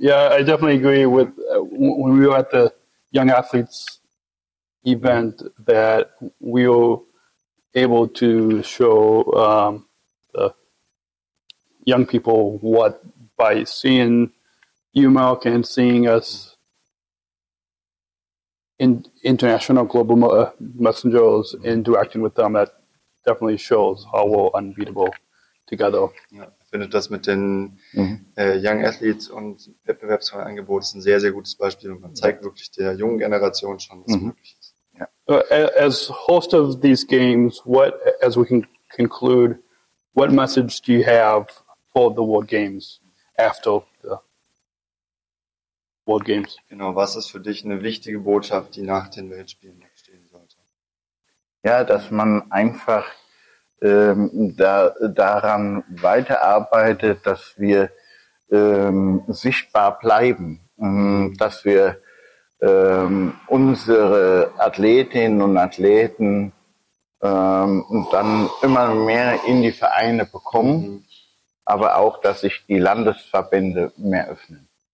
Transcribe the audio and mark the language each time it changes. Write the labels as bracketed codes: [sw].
[en] Yeah, I definitely agree with when we were at the Young Athletes event that we were able to show the young people what by seeing you, Mark, and seeing us in international global messengers interacting with them, that definitely shows how we're unbeatable together. Yeah. [de] Ich finde das mit den Young Athletes und Wettbewerbsangebot ist ein sehr, sehr gutes Beispiel. Und man zeigt wirklich der jungen Generation schon, was möglich ist. [en] Yeah. As host of these games, what, as we can conclude, what message do you have for the World Games after the World Games? [de] Genau, was ist für dich eine wichtige Botschaft, die nach den Weltspielen stehen sollte? Ja, dass man einfach daran weiterarbeitet, dass wir sichtbar bleiben, dass wir unsere Athletinnen und Athleten dann immer mehr in die Vereine bekommen, aber auch, dass sich die Landesverbände mehr öffnen.